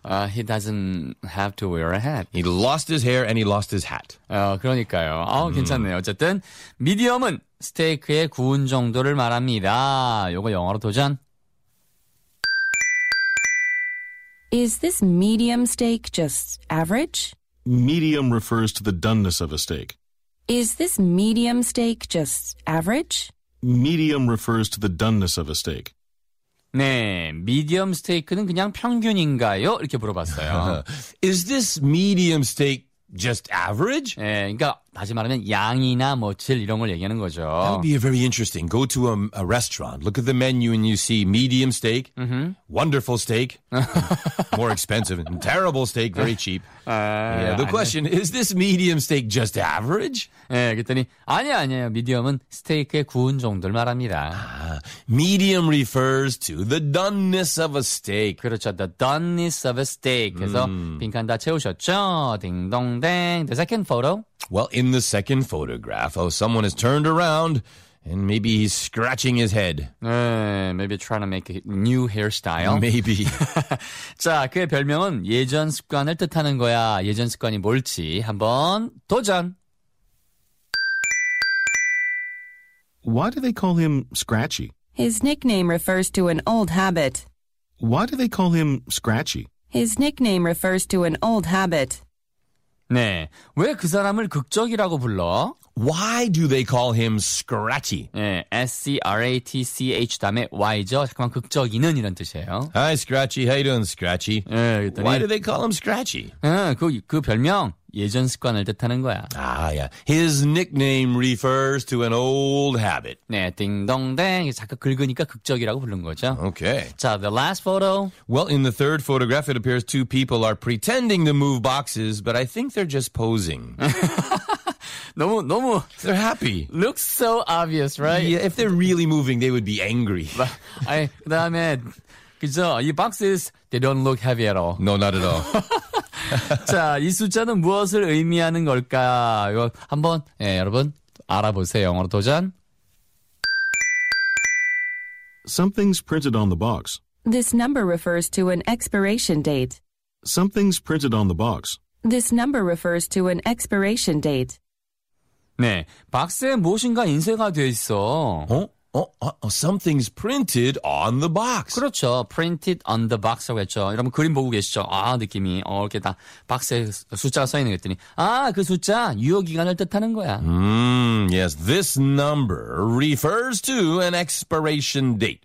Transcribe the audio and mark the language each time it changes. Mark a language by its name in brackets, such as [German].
[English] He doesn't have to wear a hat. He lost his hair and he lost his hat. [Korean] 그러니까요. 괜찮네요. 어쨌든 미디엄은 스테이크의 구운 정도를 말합니다. 요거 영어로 도전. [English] Is this medium steak just average? Medium refers to the doneness of a steak. Is this medium steak just average? Medium refers to the doneness of a steak. [Korean] 네, medium steak는 그냥 평균인가요? 이렇게 물어봤어요. [English] Is this medium steak just average? [Korean] 네, 그러니까 다시 말하면 양이나 뭐 질 이런 걸 얘기하는 거죠. [English] That would be very interesting. Go to a restaurant, look at the menu and you see medium steak, wonderful steak, more expensive, and terrible steak, very cheap. Yeah, the question, is this medium steak just average? [Korean] 예, 그랬더니 아니야, 아니에요. 미디엄은 스테이크의 구운 정도를 말합니다. [English] Medium refers to the doneness of a steak. [Korean] 그렇죠, [English] the doneness of a steak. [Korean] 그래서 빈칸 다 채우셨죠? [English] 딩동댕. The second photo. Well, in the second photograph, oh, someone has turned around, and maybe he's scratching his head. Maybe trying to make a new hairstyle. Maybe. [Korean] 자, 그의 별명은 예전 습관을 뜻하는 거야. 예전 습관이 뭘지 한번 도전. [English] Why do they call him Scratchy? His nickname refers to an old habit. Why do they call him Scratchy? His nickname refers to an old habit. [Korean] 네, 왜 그 사람을 극적이라고 불러? [English] Why do they call him Scratchy? [Korean] 네, S-C-R-A-T-C-H 다음에 Y죠. 잠깐만, 극적이는 이런 뜻이에요. [English] Hi, Scratchy. How you doing, Scratchy? [Korean] 네, [English] Why do they call him Scratchy? [Korean] 그 별명, 예전 습관을 뜻하는 거야. [English] Ah, yeah. His nickname refers to an old habit. [Korean] 네, 띵동댕. 잠깐 긁으니까 극적이라고 부른 거죠. [English] Okay. 자, the last photo. Well, in the third photograph, it appears two people are pretending to move boxes, but I think they're just posing. [Korean] 너무 [English] they're happy. Looks so obvious, right? Yeah, if they're really moving, they would be angry. But I [Korean] 그다음에 그죠? 이 [English] boxes they don't look heavy at all. No, not at all. [Korean] 자, 이 숫자는 무엇을 의미하는 걸까? 이거 한번 예, 여러분 알아보세요. 영어로 도전. [English] Something's printed on the box. This number refers to an expiration date. Something's printed on the box. This number refers to an expiration date. [Korean] 네, 박스에 무엇인가 인쇄가 되어 있어. 어? [English] Something's printed on the box. [Korean] 그렇죠, [English] printed on the box라고 했죠. [Korean] 여러분 그림 보고 계시죠? 아, 느낌이 이렇게 다 박스에 숫자가 써 있는 것들이. 아, 그 숫자 유효 기간을 뜻하는 거야. [English] Yes, this number refers to an expiration date.